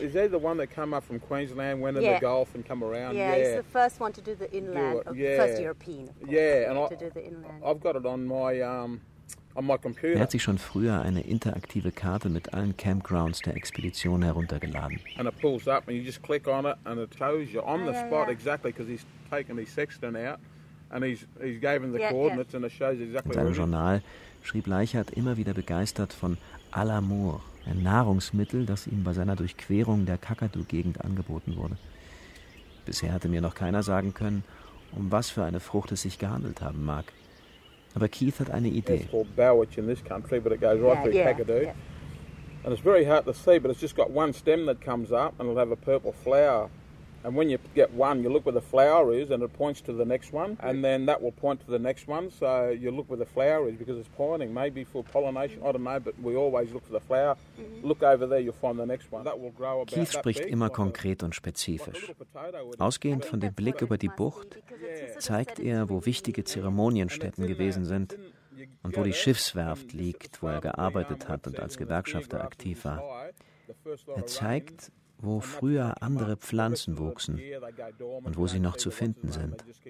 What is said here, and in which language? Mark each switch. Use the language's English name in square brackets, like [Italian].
[English] Is that the one that came up from Queensland, went in the Gulf and come around? Yeah, he's the first one to do the inland, first European. Yeah, and to do the inland. I've got it on my computer. [German] Er hat sich schon früher eine interaktive Karte mit allen Campgrounds der Expedition heruntergeladen. [English] And it pulls up, and you just click on it, and it tells you on the spot exactly, because he's taken his sextant out, and he's given the coordinates, and it shows exactly. [German] In seinem Journal schrieb Leichhardt immer wieder begeistert von Alamour, ein Nahrungsmittel, das ihm bei seiner Durchquerung der Kakadu-Gegend angeboten wurde. Bisher hatte mir noch keiner sagen können, um was für eine Frucht es sich gehandelt haben mag. Aber Keith hat eine Idee. [English] It's called Bowitch in this country, but it goes right through Kakadu. Yeah. And it's very hard to see, but it's just got one stem that comes up and it'll have a purple flower. And when you get one, you look where the flower is and it points to the next one. And then that will point to the next one. So you look where the flower is because it's pointing. Maybe for pollination, I don't know, but we always look for the flower. Look over there, you'll find the next one. That will grow about [German] Keith [English] that [German] spricht [English] big, [German] immer konkret und spezifisch. Ausgehend von dem Blick über die Bucht, zeigt er, wo wichtige Zeremonienstätten gewesen sind und wo die Schiffswerft liegt, wo er gearbeitet hat und als Gewerkschafter aktiv war. Er zeigt, wo früher andere Pflanzen wuchsen und wo sie noch zu finden sind.